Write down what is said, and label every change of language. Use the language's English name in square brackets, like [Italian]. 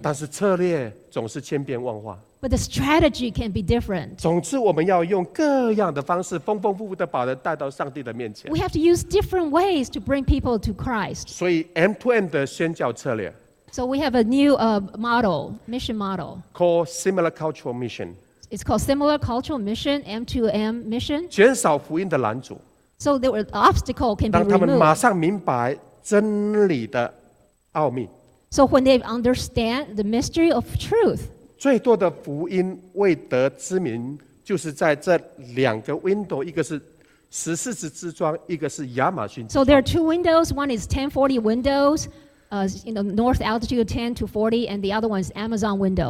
[Chinese] 但是策略总是千变万化 [English] But the strategy can be different [Chinese] 总之我们要用各样的方式丰丰富富的把人带到上帝的面前 [English] We have to use different ways to bring people to Christ [Chinese] 所以 M2M 的宣教策略 [English] So we have a new model, mission model Called Similar Cultural Mission It's called Similar Cultural Mission, M2M mission [Chinese] 减少福音的拦阻 [English] So the obstacle can be removed [Chinese] 让他们马上明白真理的奥秘 [English] So when they understand the mystery of truth, [Chinese] 最多的福音未得之民就是在这两个 window, 一个是十四支之庄，一个是亚马逊之庄。 [English] So there are two windows. One is 1040 windows, in the north altitude 10 to 40, and the other one is Amazon window.